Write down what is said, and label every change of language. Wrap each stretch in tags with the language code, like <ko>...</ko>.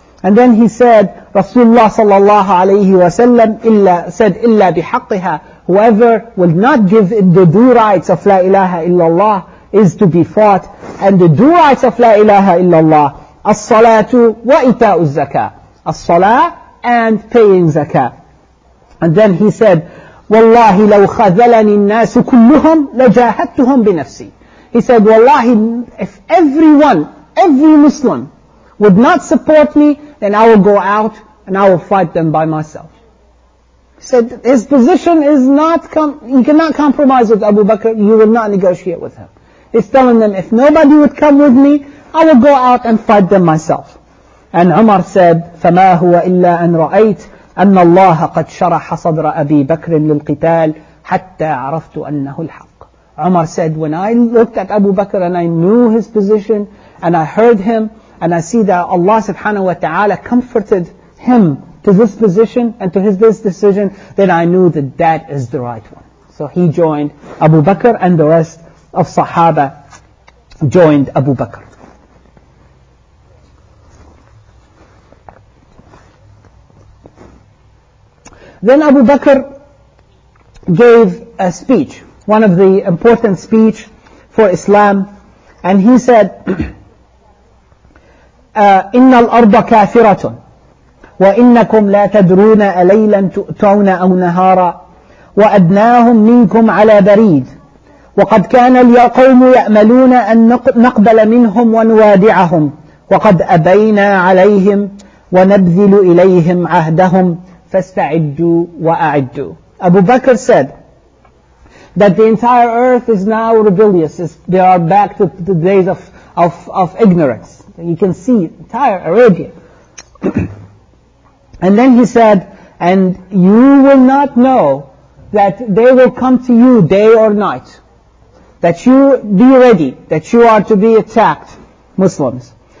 <en>And then he said, Rasulullah sallallahu alayhi wa sallam said,</en> <ar>إِلَّا بِحَقِّهَا.</ar> <en>Whoever will not give in the due rights of La ilaha illallah is to be fought. And the due rights of La ilaha illallah,</en> <ar>الصَّلَاةُ وَإِتَاءُ الزَّكَاةِ.</ar> <en>الصَّلَاةُ and paying zakah. And then he said,</en> <ar>وَاللَّهِ لَوْ خَذَلَنِ النَّاسُ كُلُّهُمْ لَجَاهَدْتُهُمْ بِنَفْسِي.</ar> <en>He said, wallahi, if everyone, every Muslim would not support me, then I will go out and I will fight them by myself. He said, his position is not, you cannot compromise with Abu Bakr, you will not negotiate with him. He's telling them, if nobody would come with me, I will go out and fight them myself. And Umar said,</en> <ar>فَمَا هُوَ إِلَّا أَنْ رَأَيْتْ أَنَّ اللَّهَ قَدْ شَرَحَ صَدْرَ أَبِي بَكْرٍ لِلْقِتَالِ حَتَّى عَرَفْتُ أَنَّهُ الْحَقِّ.</ar> <en>Umar said, when I looked at Abu Bakr and I knew his position and I heard him and I see that Allah subhanahu wa ta'ala comforted him to this position and to his this decision, then I knew that that is the right one. So he joined Abu Bakr and the rest of Sahaba joined Abu Bakr. Then Abu Bakr gave a speech, one of the important speech for Islam, and he said,</en> <ar>إِنَّ الْأَرْضَ كَافِرَةٌ وَإِنَّكُمْ لَا تَدْرُونَ أَلَيْلًا تُؤْتَوْنَ أَوْ نَهَارًا وَأَدْنَاهُمْ مِنْكُمْ عَلَى بَرِيدٍ وَقَدْ كَانَ الْيَقَوْمُ يَأْمَلُونَ أَنْ نَقْبَلَ مِنْهُمْ وَنُوَادِعَهُمْ وَقَدْ أَبَيْنَا عَلَيْهِمْ وَنَبْذِلُ إِلَيْهِمْ عَهْدَهُمْ فَاسْتَعِدُّوا وَأَعِدُّوا.</ar> <en>Abu Bakr said that the entire earth is now rebellious. They are back to the days of ignorance. You can see entire Arabia. And then he said, and you will not know that they will come to you day or night. That you be ready, that you are to be attacked. Muslims.</en>